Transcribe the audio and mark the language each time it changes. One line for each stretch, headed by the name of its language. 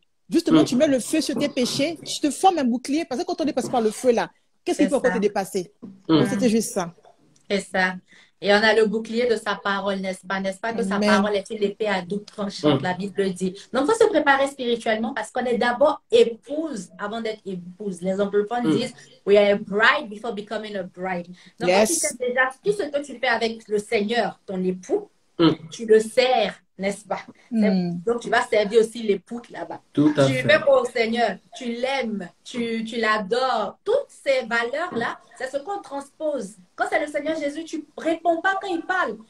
French: Justement, tu mets le feu sur tes péchés, tu te formes un bouclier, parce que quand on dépasse par le feu là, qu'est-ce qu'il faut encore te dépasser? C'était juste ça. C'est ça. Et on a le bouclier de sa parole, n'est-ce pas, que sa Amen. parole est une épée à double tranchant, la Bible le dit. Donc, il faut se préparer spirituellement parce qu'on est d'abord épouse avant d'être épouse. Les anglophones disent,
English: we are a bride before becoming a bride.
French: Donc, quand tu
English: Yes.
French: sais déjà tout ce que tu fais avec le Seigneur, ton époux, tu le sers, n'est-ce pas? Donc, tu vas servir aussi l'époux là-bas. Tout à Tu fait. fais pour le Seigneur, tu l'aimes, tu l'adores. Toutes ces valeurs-là, c'est ce qu'on transpose. Quand c'est le Seigneur Jésus, tu ne réponds pas quand il parle.